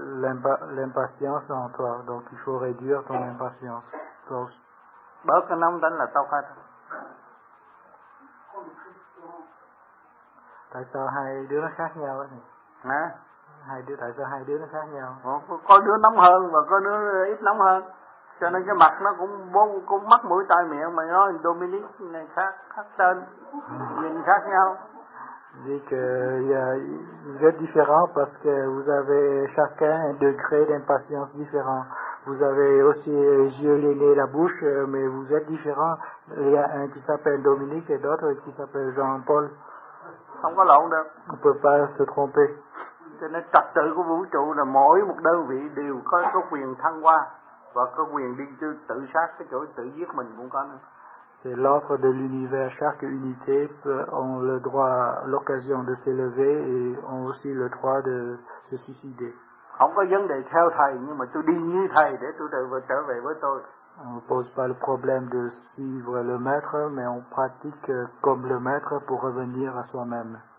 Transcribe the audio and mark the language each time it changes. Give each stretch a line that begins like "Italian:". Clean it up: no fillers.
French: L'impatience en toi, donc il faut réduire ton impatience. Donc,
Vietnamese: bớt cái nóng tính là tốt hết. Tại sao hai đứa nó khác nhau vậy? Hả? Tại sao hai đứa nó khác nhau? Có đứa nóng hơn và có đứa ít nóng hơn. Cho nên cái mặt nó cũng mắt mũi tai miệng mà nói Dominique này khác tên, nhìn khác nhau.
French: Dit que vous êtes différent parce que vous avez chacun un degré d'impatience différent. Vous avez aussi les yeux, les nez, la bouche, mais vous êtes différent. Il y a un qui s'appelle Dominique et d'autres qui s'appellent Jean-Paul.
Vietnamese: Không có lộn được.
French: On ne peut pas se tromper.
Vietnamese: Cho nên trật tự của vũ trụ là mỗi một đơn vị đều có quyền thăng hoa và có quyền đi tự sát, cái chỗ tự giết mình cũng có nữa.
French: C'est l'offre de l'univers. Chaque unité ont le droit, l'occasion de s'élever et ont aussi le droit de se suicider.
Vietnamese: Không có vấn đề theo thầy, nhưng mà tôi đi như thầy để tôi trở về với tôi.
French: On ne pose pas le problème de suivre le maître, mais on pratique comme le maître pour revenir à soi-même.